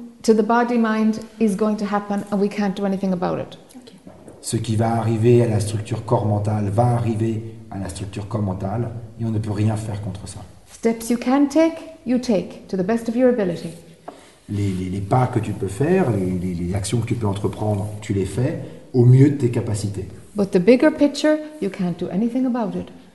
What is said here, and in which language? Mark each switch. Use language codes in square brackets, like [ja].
[en] So the body mind is going to happen and we can't do anything about it. Okay. [fr] Ce qui va arriver à la structure corps mental va arriver à la structure corps mental et on ne peut rien faire contre ça. [en] Steps you can take, you take to the best of your ability. [fr] Les pas que tu peux faire, les actions que tu peux entreprendre, tu les fais au mieux de tes capacités. [en] But the bigger picture, you can't do anything about it.